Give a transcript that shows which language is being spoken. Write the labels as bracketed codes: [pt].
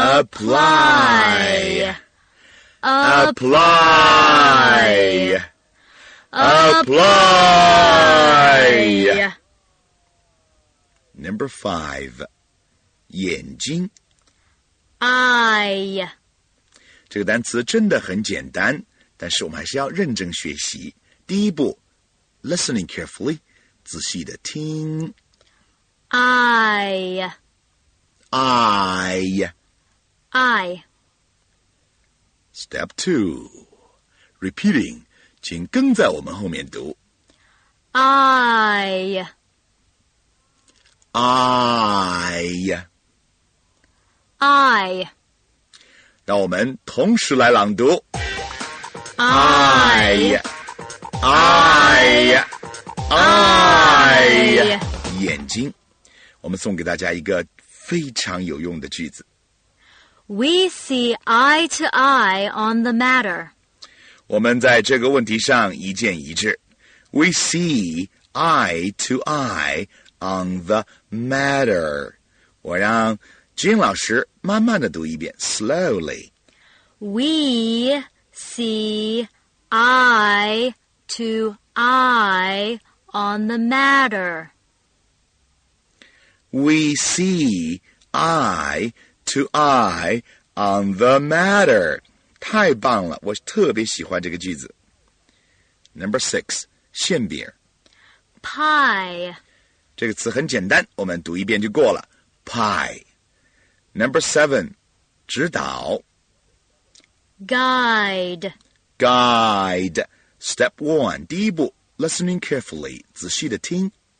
[en] Apply. Apply. Apply. Apply. Number five, 眼睛。 Eye. [zh] 这个单词真的很简单，但是我们还是要认真学习。第一步， [en] listening carefully, [zh] 仔细地听。 [en] I. I. I. Step two. Repeating, [zh] 请跟在我们后面读。 [en] I. I. I. [zh] 让我们同时来朗读。 [en] I. I. I. [zh] 眼睛。我们送给大家一个非常有用的句子。 [en] We see eye to eye on the matter. [zh] 我们在这个问题上一见一致。 [en] We see eye to eye on the matter. [zh] 我让金老师慢慢的读一遍 , [en] slowly. We see eye to eye on the matter. We see eye to eye on the matter. [zh] 太棒了，我特别喜欢这个句子。 [en] Number six, 馅饼。 Pie. [zh] 这个词很简单，我们读一遍就过了。 [en] Pie. Number seven, 指导。 Guide. Guide. Step one, [zh] 第一步 [en] listening carefully, [zh] 仔细地听。